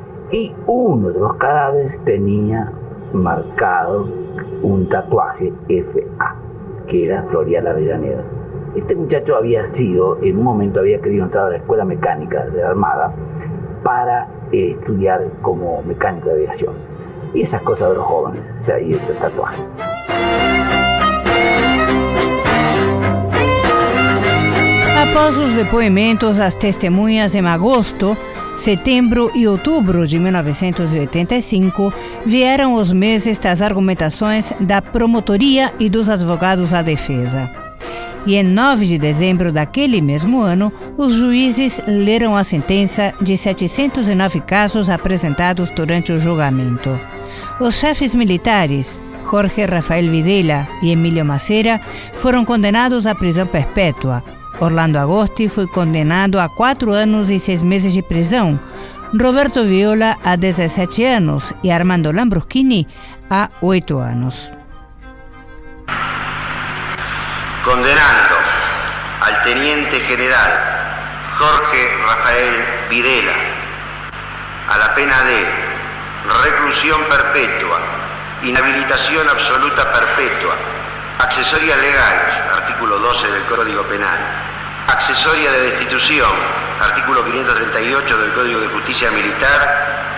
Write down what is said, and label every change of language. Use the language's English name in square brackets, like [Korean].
[Spanish] Y uno de los cadáveres tenía marcado un tatuaje FA, que era Floreal Avellaneda. Este muchacho había querido entrar a la Escuela Mecánica de la Armada para estudiar como mecánico de aviación. Y esas cosas de los jóvenes, o sea, y ese tatuaje. [Portuguese] Após os depoimentos, as testemunhas em agosto, setembro e outubro de 1985 vieram os meses das argumentações da promotoria e dos advogados à defesa. E em 9 de dezembro daquele mesmo ano, os juízes leram a sentença de 709 casos apresentados durante o julgamento. Os chefes militares, Jorge Rafael Videla e Emílio Macera, foram condenados à prisão perpétua. Orlando Agosti foi condenado a 4 anos e 6 meses de prisão, Roberto Viola a 17 anos e Armando Lambruschini a 8 anos. [Spanish] Condenando al teniente general Jorge Rafael Videla a la pena de reclusión perpetua, inhabilitación absoluta perpetua, accesorias legales, artículo 12 del Código Penal, accesoria de destitución, artículo 538 del Código de Justicia Militar,